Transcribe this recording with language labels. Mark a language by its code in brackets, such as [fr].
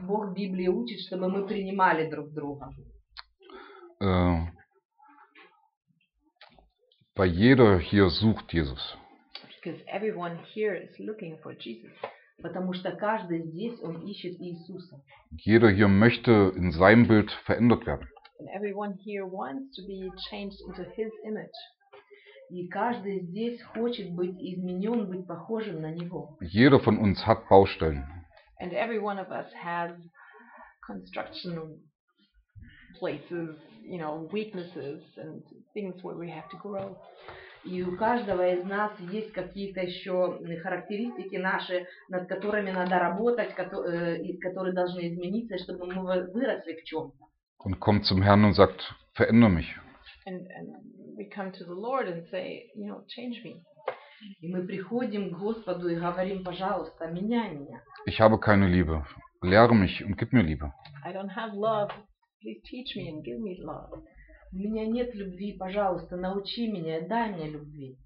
[ru] Бог Библии учит, чтобы мы принимали друг друга. [de] Bei jeder hier sucht Jesus. [en] Because everyone here is looking for Jesus. [ru] Потому что каждый здесь он ищет Иисуса. [de] Jeder hier möchte in seinem Bild verändert werden. [en] And everyone here wants to be changed into his image. [ru] И каждый здесь хочет быть изменён, быть похожим на него. [de] Jeder von uns hat Baustellen. [en] And every one of us has construction places, you know, weaknesses and things where we have to grow. [ru] И у каждого из нас есть какие-то ещё характеристики наши, над которыми надо работать, которые должны измениться, чтобы мы выросли в чём-то. [de] Und kommt zum Herrn und sagt, verändere mich. [en] And we come to the Lord and say, you know, change me. [ru] И мы приходим к Господу и говорим, пожалуйста, меняй меня. [de] Ich habe keine Liebe. Lehre mich und gib mir Liebe. [en] I don't have love. Please teach me and give me love. [ru] У меня нет любви, пожалуйста, научи меня, дай мне любви.